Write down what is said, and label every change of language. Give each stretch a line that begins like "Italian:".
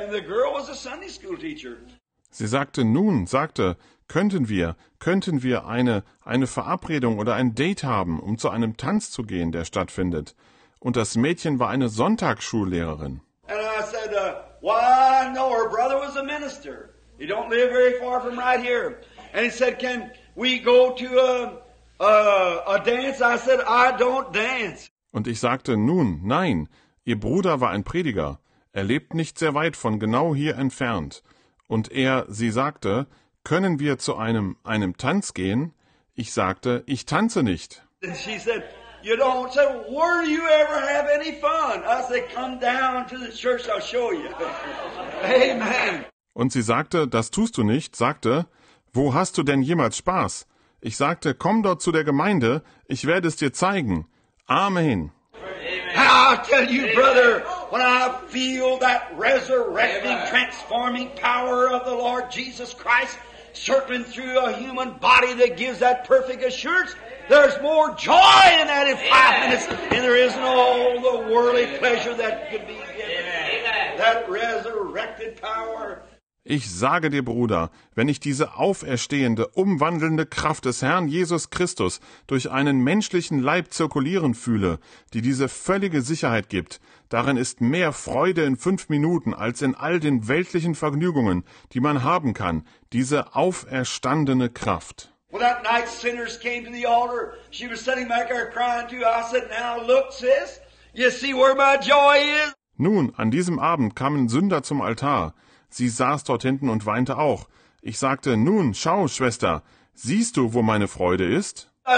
English: And the girl was a Sunday school teacher.
German: Sie sagte, könnten wir eine Verabredung oder ein Date haben, um zu einem Tanz zu gehen, der stattfindet? Und das Mädchen war eine Sonntagsschullehrerin.
English: And I said, why, no, her brother was a minister. He don't live very far from right here. And he said, can we go to a dance? I said, I don't dance.
German: Und ich sagte, nein, ihr Bruder war ein Prediger. Er lebt nicht sehr weit von genau hier entfernt. Und sie sagte, können wir zu einem Tanz gehen? Ich sagte, ich tanze nicht.
English: And she said, you don't. So, will you ever have any fun? I said, come down to the church, I'll show you. Amen.
German: Und sie sagte, das tust du nicht, wo hast du denn jemals Spaß? Ich sagte, komm dort zu der Gemeinde, ich werde es dir zeigen. Amen.
English: I'll tell you, brother, when I feel that resurrecting, transforming power of the Lord Jesus Christ circling through a human body that gives that perfect assurance, there's more joy in that in 5 minutes than there is in all the worldly pleasure that could be given. That resurrected power.
German: Ich sage dir, Bruder, wenn ich diese auferstehende, umwandelnde Kraft des Herrn Jesus Christus durch einen menschlichen Leib zirkulieren fühle, die diese völlige Sicherheit gibt, darin ist mehr Freude in 5 Minuten als in all den weltlichen Vergnügungen, die man haben kann, diese auferstandene Kraft.
English: Well, that night sinners came to the altar. She was sitting back there crying too. I said, now look, sis, you see where my joy is?
German: Nun, an diesem Abend kamen Sünder zum Altar. Sie saß dort hinten und weinte auch. Ich sagte, nun, schau, Schwester, siehst du, wo meine Freude ist?